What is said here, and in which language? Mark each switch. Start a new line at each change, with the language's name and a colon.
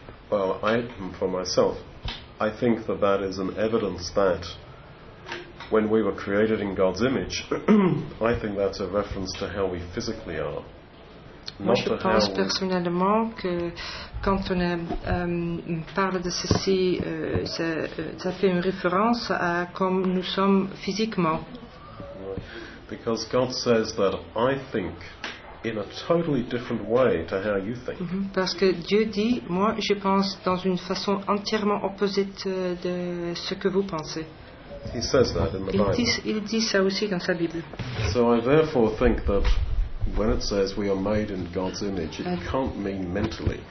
English: Well, I, for myself, I think that that is an evidence that when we were created in God's image, I think that's a reference to how we physically are.
French: Moi, je pense personnellement que quand on parle de ceci, ça fait une référence à comme nous sommes physiquement.
English: Because God says that I think in a totally different way to how you think. Mm-hmm.
French: Parce que Dieu dit, moi, je pense dans une façon entièrement opposite de ce que vous pensez.
English: He says that in the Bible.
French: Il dit ça aussi dans sa Bible.
English: So I therefore think that when it says we are made in God's image, it can't mean mentally.